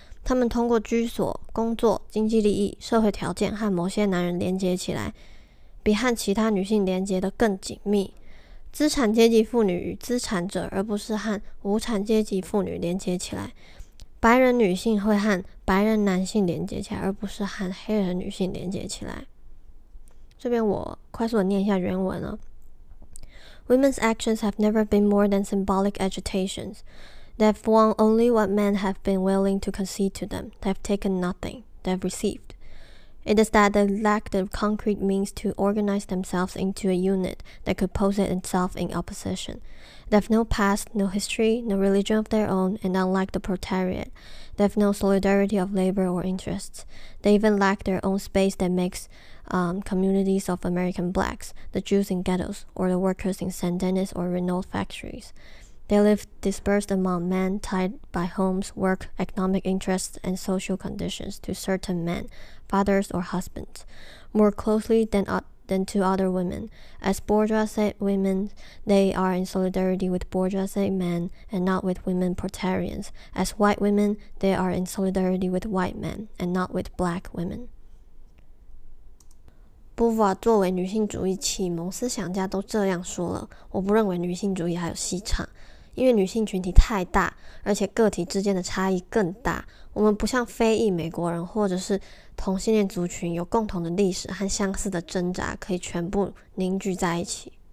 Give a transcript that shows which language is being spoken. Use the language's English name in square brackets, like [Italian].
[Chinese] 他们通过居所、工作、经济利益、社会条件和某些男人连接起来，比和其他女性连接得更紧密。资产阶级妇女与资产者，而不是和无产阶级妇女连接起来。白人女性会和白人男性连接起来，而不是和黑人女性连接起来。这边我快速的念一下原文了。 [English] Women's actions have never been more than symbolic agitations. They've won only what men have been willing to concede to them. They've taken nothing. They've received. It is that they lack the concrete means to organize themselves into a unit that could pose itself in opposition. They have no past, no history, no religion of their own, and unlike the proletariat, they have no solidarity of labor or interests. They even lack their own space that makes communities of American blacks, the Jews in ghettos, or the workers in Saint-Denis or Renault factories. They live dispersed among men, tied by homes, work, economic interests, and social conditions to certain men,fathers or husbands, more closely than to other women. As bourgeoisie women, they are in solidarity with bourgeoisie men and not with women proletarians. As white women, they are in solidarity with white men and not with black women. [Chinese] 波伏娃作为女性主义启蒙思想家都这样说了，我不认为女性主义还有戏唱，因为女性群体太大，而且个体之间的差异更大。我们不像非裔美国人或者是同性恋族群有共同的历史和相似的挣扎可以全部凝聚在一起。